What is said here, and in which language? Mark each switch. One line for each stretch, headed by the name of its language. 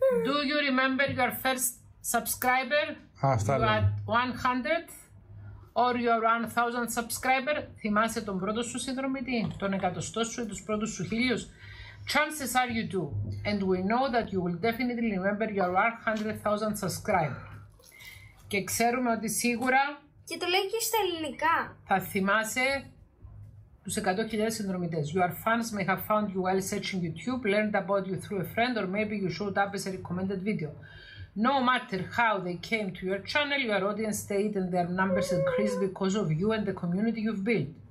English: Do you remember your first subscriber?
Greek: Αυτά λέω.
English: You had 100 or your 1,000 subscriber,
Greek: θυμάσαι τον πρώτο σου συνδρομητή, τον εκατοστό σου ή τους πρώτους σου χίλιους.
English: Chances are you do, and we know that you will definitely remember your 100,000 subscriber.
Greek: Και ξέρουμε ότι σίγουρα Και το λέει και στα ελληνικά. Θα θυμάσαι τους 100.000 συνδρομητές.
English: Your fans may have found you while searching YouTube, learned about you through a friend, or maybe you showed up as a recommended video. No matter how they came to your channel, your audience stayed and their numbers increased because of you and the community you've built.